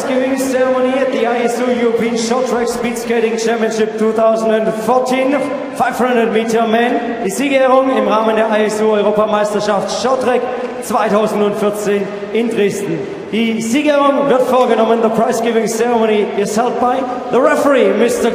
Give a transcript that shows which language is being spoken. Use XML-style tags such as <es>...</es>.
<en>this ceremony at the ISU European Short Track Speed Skating Championship 2014. 500 Meter Men.</en> <de>Die Siegerehrung im Rahmen der ISU Europameisterschaft Short Track 2014 in Dresden. Die Siegerehrung wird vorgenommen.</de> <en>The prize giving ceremony is held by the referee, Mr.</en>